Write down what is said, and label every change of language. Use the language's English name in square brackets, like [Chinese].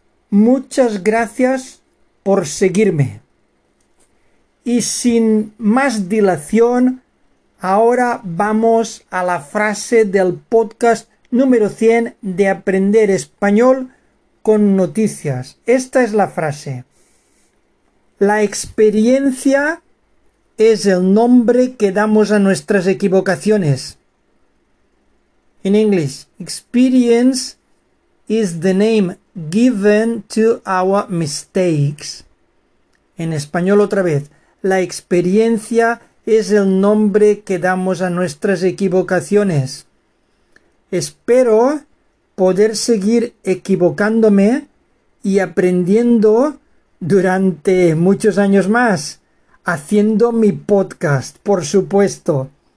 [Spanish] Muchas gracias por seguirme. Y sin más dilación, ahora vamos a la frase del podcast número 100 de Aprender Español con Noticias. Esta es la frase. La experiencia es el nombre que damos a nuestras equivocaciones. [English] In English, experience is the name given to our mistakes. [Spanish] En español otra vez, la experiencia es el nombre que damos a nuestras equivocaciones. Espero poder seguir equivocándome y aprendiendo durante muchos años más, haciendo mi podcast, por supuesto.